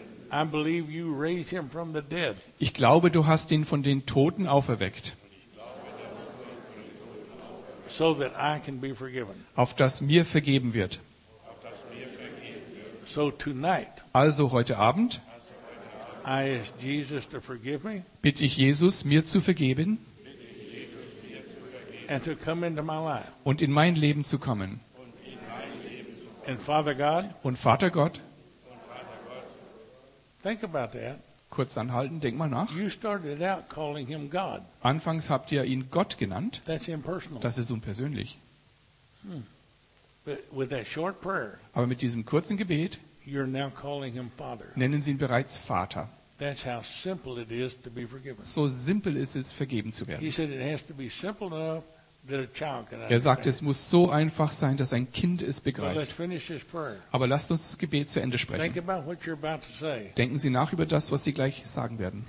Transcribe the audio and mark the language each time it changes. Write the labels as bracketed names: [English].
[English] I believe you raised him from the dead. [German] Ich glaube, du hast ihn von den Toten auferweckt. [English] So that I can be forgiven. [German] Auf dass mir vergeben wird. [English] So tonight. [German] Also heute Abend. [English] I ask Jesus to forgive me. [German] Bitte ich Jesus, mir zu vergeben. [English] And to come into my life. [German] Und in mein Leben zu kommen. [English] And Father God. [German] Und Vater Gott. [English] Think about that. [German] Kurz anhalten, denk mal nach. [English] You started out calling him God. [German] Anfangs habt ihr ihn Gott genannt. [English] That's impersonal. [German] Das ist unpersönlich. [English] But with that short prayer. [German] Aber mit diesem kurzen Gebet. [English] You're now calling him Father. [German] Nennen Sie ihn bereits Vater. [English] That's how simple it is to be forgiven. [German] So simpel ist es, vergeben zu werden. [English] He said it has to be simple enough [German] Er sagt, es muss so einfach sein, dass ein Kind es begreift. Aber lasst uns das Gebet zu Ende sprechen. Denken Sie nach über das, was Sie gleich sagen werden.